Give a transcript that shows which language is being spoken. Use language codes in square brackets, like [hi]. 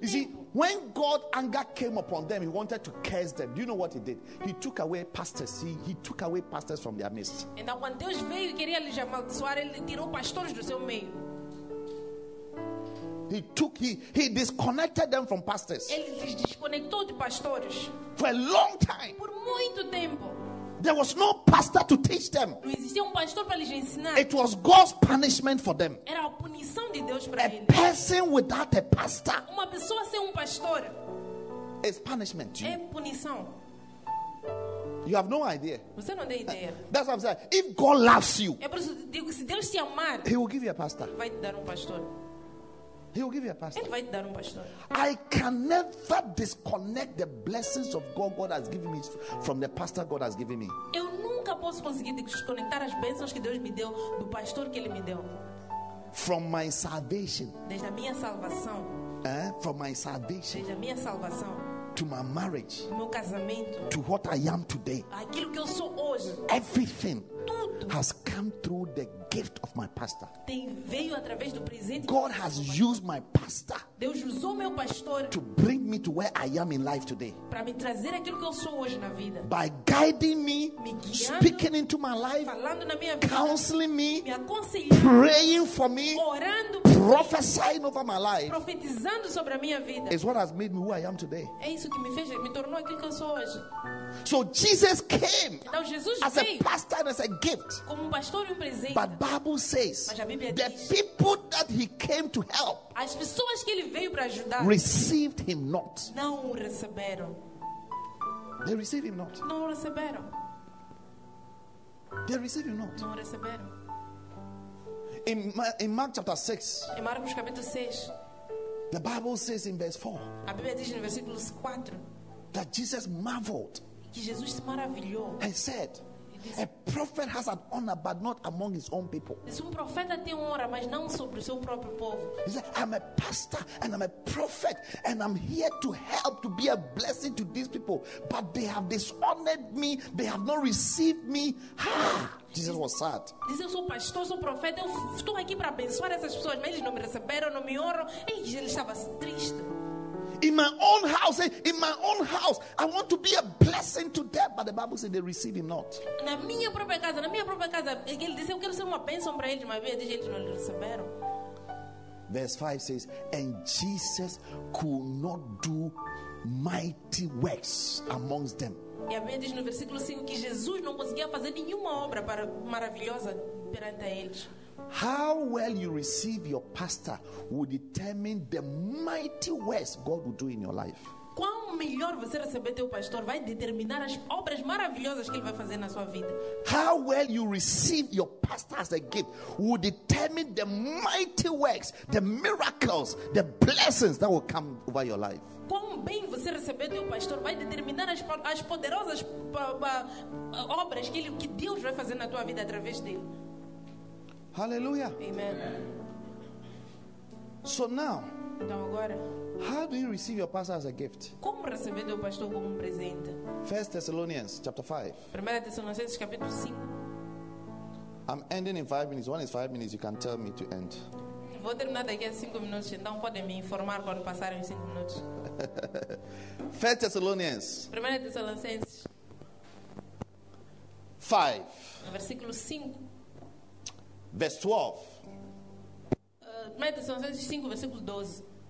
[en] You see, when God's anger came upon them, he wanted to curse them. Do you know what he did? He took away pastors. He took away pastors from their midst. [pt] Então, quando Deus veio e queria lhes amaldiçoar, ele tirou pastores do seu meio. [en] He disconnected them from pastors. [pt] Ele lhes desconectou de pastores. [en] For a long time. [pt] Por muito tempo. [en] There was no pastor to teach them. [pt] Não existia pastor para lhes ensinar. [en] It was God's punishment for them. [pt] Era a punição de Deus para a eles. [en] A person without a pastor. [pt] Uma pessoa sem pastor. [en] Is punishment to you. [pt] É punição. [en] You have no idea. [pt] Você não tem ideia. [en] That's what I'm saying. If God loves you. [pt] É por isso que digo, se Deus te amar. [en] He will give you a pastor. [pt] Vai te dar pastor. [en] He will give you a pastor. [pt] Ele vai te dar pastor. [en] I can never disconnect the blessings of God God has given me from the pastor God has given me. [pt] Eu nunca posso conseguir desconectar as bênçãos que Deus me deu do pastor que Ele me deu. [en] From my salvation. [pt] Desde a minha salvação. [en] From my salvation. [pt] Desde a minha salvação. [en] To my marriage. [pt] Do meu casamento. [en] To what I am today. [pt] Aquilo que eu sou hoje. [en] Everything. [pt] Tudo. [en] Has come through the gift of my pastor. [pt] Tem veio através do presente. [en] God has used my pastor. [pt] Deus usou meu pastor. [en] To bring me to where I am in life today. [pt] Para me trazer aquilo que eu sou hoje na vida. [en] By guiding me, [pt] me guiando, [en] speaking into my life, [pt] falando na minha vida, [en] counseling me, [pt] me aconselhando, [en] praying for me, [pt] orando, [en] prophesying over my life, [pt] profetizando sobre a minha vida. [en] Is what has made me who I am today. [pt] É isso que me tornou aquilo que eu sou hoje. [en] So Jesus came, [pt] então Jesus [en] as [pt] veio [en] a pastor and as a gift. [pt] Como pastor e presente. [en] But Bible says, [pt] mas a Bíblia [en] the [pt] diz, [en] people that he came to help, [pt] as pessoas que ele veio para ajudar, [en] received him not. [pt] Não o receberam. [en] They received him not. [pt] Não o receberam. [en] They received him not. [pt] Não o receberam. [en] In Mark chapter 6. [pt] Em Marcos capítulo 6. [en] The Bible says in verse 4. [pt] A Bíblia diz no versículo 4. [en] That Jesus marveled. [pt] Que Jesus se maravilhou. [en] And said, A prophet has an honor, but not among his own people. [pt] Diz, um profeta tem honra, mas não sobre o seu próprio povo. [en] He said, I'm a pastor and I'm a prophet and I'm here to help, to be a blessing to these people, but they have dishonored me, they have not received me. Jesus was sad. [pt] Diz, eu sou pastor, sou profeta, eu estou aqui para abençoar essas pessoas, mas eles não me receberam, não me honram. Ei, ele estava triste. [en] In my own house, I want to be a blessing to them, but the Bible says they receive him not. [pt] Na minha própria casa, ele disse, eu quero ser uma bênção para eles, mas eles não lhe receberam. [en] Verse 5 says, and Jesus could not do mighty works amongst them. [pt] E a Bíblia diz no versículo 5 que Jesus não conseguia fazer nenhuma obra maravilhosa perante eles. [en] How well you receive your pastor will determine the mighty works God will do in your life. [pt] Quão melhor você receber teu pastor vai determinar as obras maravilhosas que ele vai fazer na sua vida. [en] How well you receive your pastor as a gift will determine the mighty works, the miracles, the blessings that will come over your life. [pt] Quão bem você receber teu pastor vai determinar as poderosas obras que Deus vai fazer na tua vida através dele. [en] Hallelujah. Amen. So now, [pt] então agora, [en] how do you receive your pastor as a gift? [pt] Como receber teu pastor como um presente? [en] 1 Thessalonians chapter 5. [pt] 1 Thessalonians capítulo 5. [en] I'm ending in 5 minutes. One is 5 minutes. You can tell me to end. [pt] Vou terminar daqui a 5 minutos, então pode me informar quando passarem os 5 minutos. [en] 1 Thessalonians. [pt] 1 Thessalonians [en] 5. [pt] Versículo 5. [en] Verse 12.